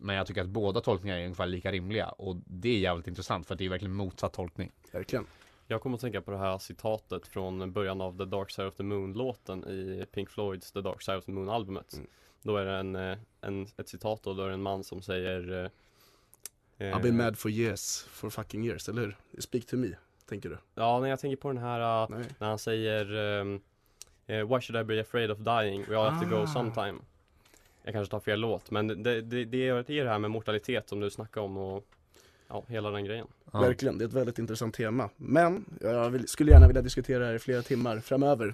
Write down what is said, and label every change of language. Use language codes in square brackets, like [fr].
[sv] Men jag tycker att båda tolkningar är ungefär lika rimliga, och det är jävligt intressant, för att det är verkligen motsatt tolkning. Verkligen. Jag kommer att tänka på det här citatet från början av The Dark Side of the Moon-låten i Pink Floyds The Dark Side of the Moon-albumet. Mm. Då är det ett citat, och då är det en man som säger [en] "I've been mad for years, for fucking years", [sv] eller hur? [en] "Speak to me", [sv] tänker du? Ja, när jag tänker på den här, när han säger [en] "why should I be afraid of dying? We all have to go sometime". [sv] Jag kanske tar fel låt, men det är det här med mortalitet som du snackar om, och ja, hela den grejen. Ja. Verkligen, det är ett väldigt intressant tema. Men jag skulle gärna vilja diskutera det här i flera timmar framöver.